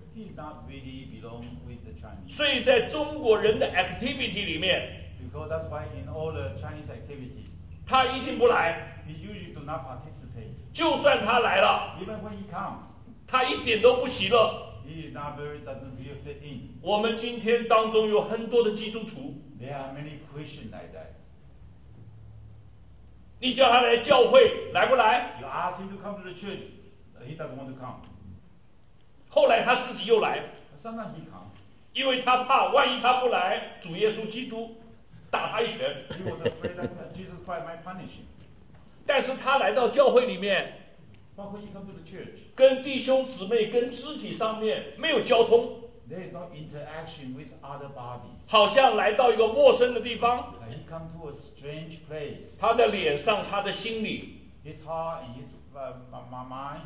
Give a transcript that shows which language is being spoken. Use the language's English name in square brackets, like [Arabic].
[English] He does not really belong with the Chinese. [Chinese] 所以在中国人的 activity 里面 [English] ，Because that's why in all the Chinese activity， [Chinese] 他一定不来。 [English] He usually do not participate. [Chinese] 就算他来了 [English] ，Even when he comes， [Chinese] 他一点都不喜乐。 [English] He is not very doesn't really fit in. [Chinese] 我们今天当中有很多的基督徒 [English] ，There are many Christians like that. [Chinese] 你叫他来教会来不来 [English] ？You ask him to come to the church, he doesn't want to come. [Chinese] 后来他自己又来，上当一扛，因为他怕万一他不来，主耶稣基督打他一拳。 [English] He was afraid that Jesus Christ might punish him. [Chinese] 但是他来到教会里面，包括 [English] he come to the church， [Chinese] 跟弟兄姊妹、跟肢体上面没有交通。 [English] There is no interaction with other bodies. [Chinese] 好像来到一个陌生的地方。 [English] He come to a strange place. [Chinese] 他的脸上、他的心里 [English] ，his heart and his my